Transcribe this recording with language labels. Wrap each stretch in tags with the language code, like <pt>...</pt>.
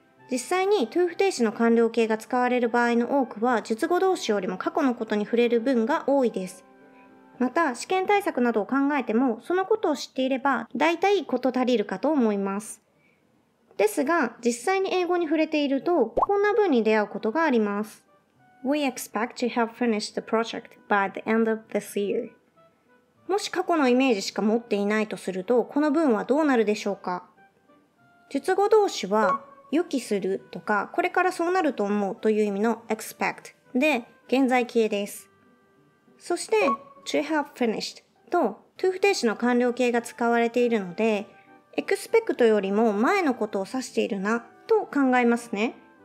<ja>実際に to 不定詞の完了形が使われる場合の多くは、述語動詞よりも過去のことに触れる文が多いです。また、試験対策などを考えても、そのことを知っていれば、大体こと足りるかと思います。ですが、実際に英語に触れていると、こんな文に出会うことがあります。</ja> <en>We expect to have finished the project by the end of this year.</en> <ja>もし過去のイメージしか持っていないとすると、この文はどうなるでしょうか？述語動詞は、予期するとか、これからそうなると思うという意味の expect で、現在形です。そして、</ja> <en>to have finished</en> <ja>と、to 不定詞の完了形が使われているので、エクスペクトよりも前のことを指しているなと考えますね。</ja>